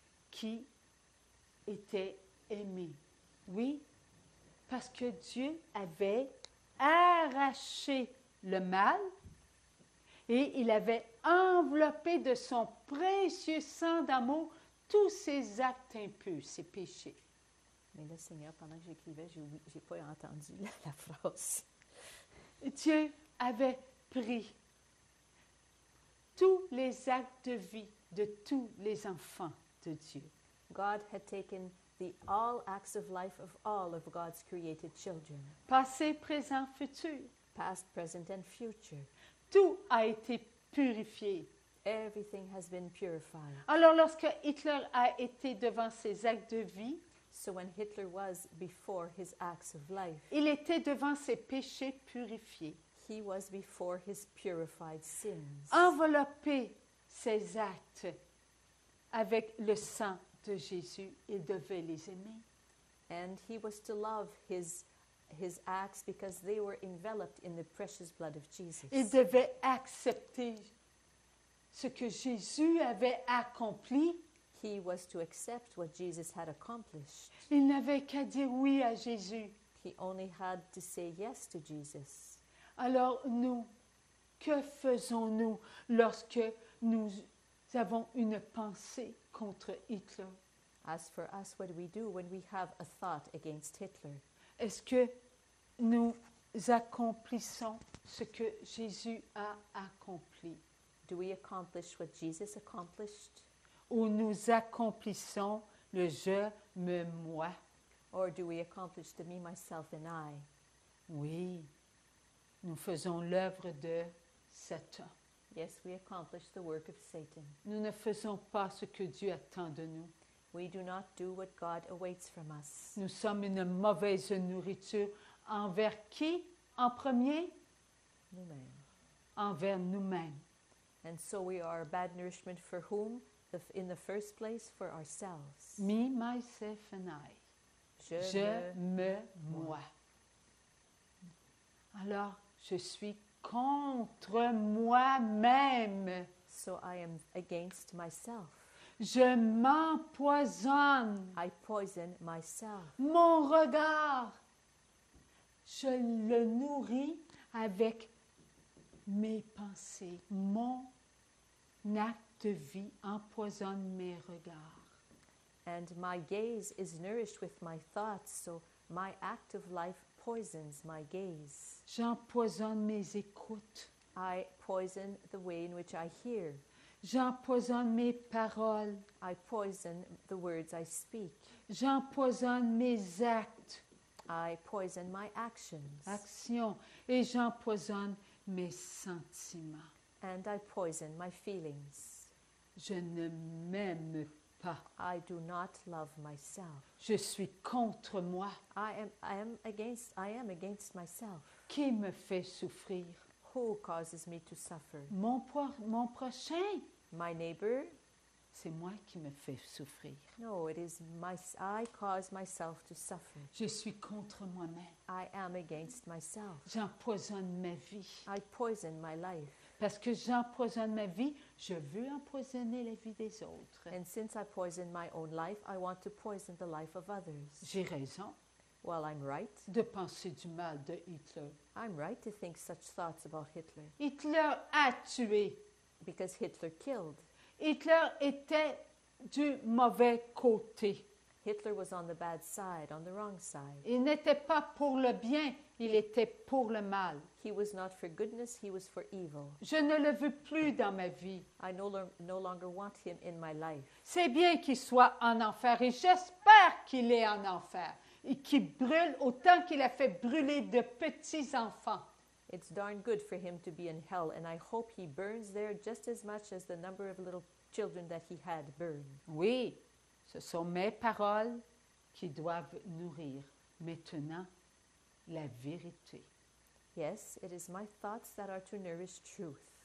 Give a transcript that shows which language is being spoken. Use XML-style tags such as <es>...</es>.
<fr>Qui était aimé? Oui, parce que Dieu avait arraché le mal et il avait enveloppé de son précieux sang d'amour tous ses actes impurs, ses péchés. Mais là, Seigneur, pendant que j'écrivais, j'ai pas entendu la phrase. Dieu avait pris tous les actes de vie de tous les enfants de Dieu.</fr> <en>God had taken the all acts of life of all of God's created children.</en> <fr>Passé, présent, futur.</fr> <en>Past, present, and future.</en> <fr>Tout a été purifié.</fr> <en>Everything has been purified.</en> <fr>Alors, lorsque Hitler a été devant ses actes de vie,</fr> <en>so when Hitler was before his acts of life,</en> <fr>il était devant ses péchés purifiés.</fr> <en>He was before his purified sins.</en> <fr>Enveloppé ses actes avec le sang de Jésus, il devait les aimer.</fr> <en>And he was to love his acts because they were enveloped in the precious blood of Jesus.</en> <fr>Il devait accepter ce que Jésus avait accompli.</fr> <en>He was to accept what Jesus had accomplished.</en> <fr>Il n'avait qu'à dire oui à Jésus.</fr> <en>He only had to say yes to Jesus.</en> <fr>Alors nous, que faisons-nous lorsque nous avons une pensée contre Hitler?</fr> <en>As for us, what do we do when we have a thought against Hitler?</en> <fr>Est-ce que nous accomplissons ce que Jésus a accompli?</fr> <en>Do we accomplish what Jesus accomplished?</en> <fr>Ou nous accomplissons le je, me, moi?</fr> <en>Or do we accomplish the me, myself, and I?</en> <fr>Oui, nous faisons l'œuvre de Satan.</fr> <en>Yes, we accomplish the work of Satan.</en> <fr>Nous ne faisons pas ce que Dieu attend de nous.</fr> <en>We do not do what God awaits from us.</en> <fr>Nous sommes une mauvaise nourriture envers qui en premier? Nous-mêmes. Envers nous-mêmes.</fr> <en>And so we are a bad nourishment for whom? In the first place, for ourselves. Me, myself, and I.</en> <fr>Je, moi. Alors, je suis contre moi-même.</fr> <en>So I am against myself.</en> <fr>Je m'empoisonne.</fr> <en>I poison myself.</en> <fr>Mon regard, je le nourris avec mes pensées. Mon acte de vie empoisonne mes regards.</fr> <en>And my gaze is nourished with my thoughts, so my act of life poisons my gaze.</en> <fr>J'empoisonne mes écoutes.</fr> <en>I poison the way in which I hear.</en> <fr>J'empoisonne mes paroles.</fr> <en>I poison the words I speak.</en> <fr>J'empoisonne mes actes.</fr> <en>I poison my actions. Actions.</en> <fr>Et j'empoisonne mes sentiments.</fr> <en>And I poison my feelings.</en> <fr>Je ne m'aime pas.</fr> <en>I do not love myself.</en> <fr>Je suis contre moi.</fr> <en>I am against myself.</en> <fr>Qui me fait souffrir?</fr> <en>Who causes me to suffer?</en> <fr>Mon prochain.</fr> <en>My neighbor.</en> <fr>C'est moi qui me fais souffrir.</fr> <en>No, it is I cause myself to suffer.</en> <fr>Je suis contre moi-même.</fr> <en>I am against myself.</en> <fr>J'empoisonne ma vie.</fr> <en>I poison my life.</en> <fr>Parce que j'empoisonne ma vie, je veux empoisonner la vie des autres.</fr> <en>And since I poison my own life, I want to poison the life of others.</en> <fr>J'ai raison.</fr> <en>Well, I'm right.</en> <fr>De penser du mal de Hitler.</fr> <en>I'm right to think such thoughts about Hitler.</en> <fr>Hitler a tué.</fr> <en>Because Hitler killed.</en> <fr>Hitler était du mauvais côté.</fr> <en>Hitler was on the bad side, on the wrong side.</en> <fr>Il n'était pas pour le bien, il était pour le mal.</fr> <en>He was not for goodness, he was for evil.</en> <fr>Je ne le veux plus dans ma vie.</fr> <en>I no longer want him in my life.</en> <fr>C'est bien qu'il soit en enfer et j'espère qu'il est en enfer et qu'il brûle autant qu'il a fait brûler de petits enfants.</fr> <en>It's darn good for him to be in hell, and I hope he burns there just as much as the number of little children that he had burned.</en> <fr>Oui, ce sont mes paroles qui doivent nourrir maintenant la vérité.</fr> <en>Yes, it is my thoughts that are to nourish truth.</en>